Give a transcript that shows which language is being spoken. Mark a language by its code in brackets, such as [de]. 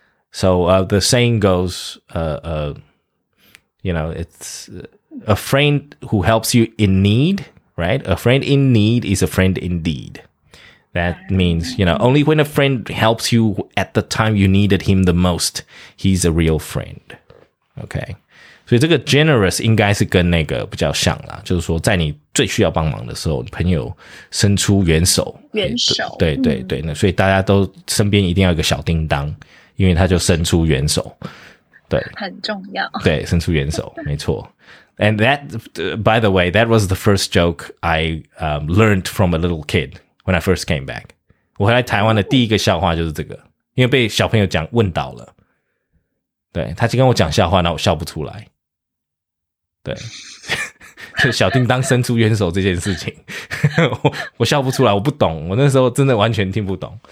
[en] So the saying goes, you know, it's a friend who helps you in need, right? A friend in need is a friend indeed. That means, you know, only when a friend helps you at the time you needed him the most, he's a real friend. Okay. [zh] 所以这个 generous 应该是跟那个比较像啦，就是说在你最需要帮忙的时候，朋友伸出援手。援手。对对对。那所以大家都身边一定要有一个小叮当，因为他就伸出援手。对。很重要。对，伸出援手，没错。 [en] And that, by the way, that was the first joke I learned from a little kid. When I first came back. [zh] 我回来台湾的第一个笑话就是这个。因为被小朋友讲问倒了。对。他就跟我讲笑话然后我笑不出来。对。就小叮当伸出援手这件事情。我笑不出来，我不懂。我那时候真的完全听不懂。